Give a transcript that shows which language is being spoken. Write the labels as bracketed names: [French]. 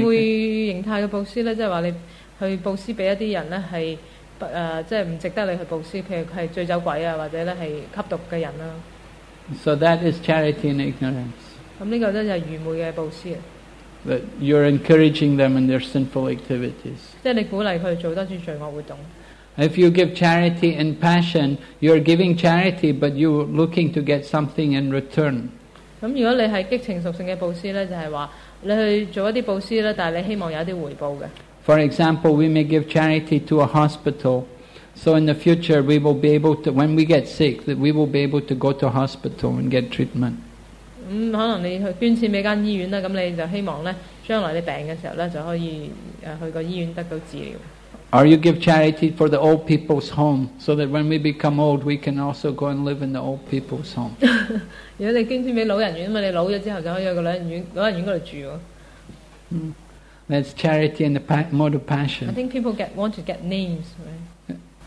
[Cantonese] 愚昧形态嘅布施咧，即系话你去布施俾一啲人咧，系不即系唔值得你去布施，譬如系醉酒鬼啊，或者咧系吸毒嘅人啦。 [English] So that is charity and ignorance. [Cantonese] 咁呢个咧就系愚昧嘅布施啊。 [English] That you're encouraging them in their sinful activities. [Cantonese] 即系你鼓励佢做多啲罪恶活动。 [English] If you give charity in passion, you're giving charity, but you're looking to get something in return. [Cantonese] 咁如果你係激情屬性嘅布施咧，就係話你去做一啲布施咧，但係你希望有一啲回報嘅。 [English] For example, we may give charity to a hospital, so in the future we will be able to, when we get sick, that we will be able to go to a hospital and get treatment. [Cantonese] 咁可能你去捐錢俾間醫院啦，咁你就希望咧，將來你病嘅時候咧，就可以去個醫院得到治療。 [English] Or you give charity for the old people's home, so that when we become old, we can also go and live in the old people's home. [Cantonese] 如果你捐錢俾老人院啊嘛，你老咗之後就可以去個老人院嗰度住喎。 [English] That's charity and the mode of passion. I think people want to get names, right?